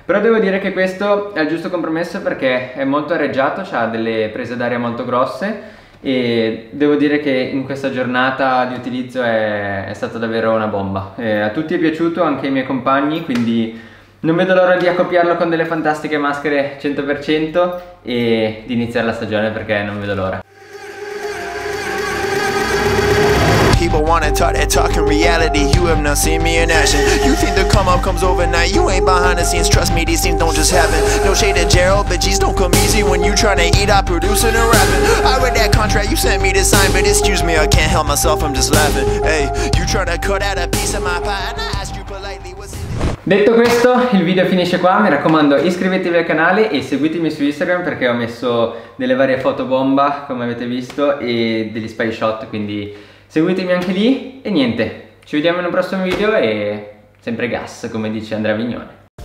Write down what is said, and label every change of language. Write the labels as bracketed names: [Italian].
[Italian] Però devo dire che questo è il giusto compromesso perché è molto arreggiato, ha delle prese d'aria molto grosse e devo dire che in questa giornata di utilizzo è stata davvero una bomba. A tutti è piaciuto, anche ai miei compagni, quindi non vedo l'ora di accoppiarlo con delle fantastiche maschere 100% e di iniziare la stagione, perché non vedo l'ora. [English] People wanna talk that talk, in reality you have not seen me in action. You think the come up comes overnight, you ain't behind the scenes. Trust me, these things don't just happen. No shade to Gerald, but geez, don't come easy when you tryna eat up producing and rapping. I read that contract you sent me to sign, but excuse me, I can't help myself, I'm just laughing. Hey, you tryna cut out a piece of my pie, and I asked you politely what's in it. [Italian] Detto questo, il video finisce qua. Mi raccomando, iscrivetevi al canale e seguitemi su Instagram, perché ho messo delle varie foto bomba, come avete visto, e degli spy shot, quindi seguitemi anche lì e niente, ci vediamo in un prossimo video e sempre gas, come dice Andrea Vignone.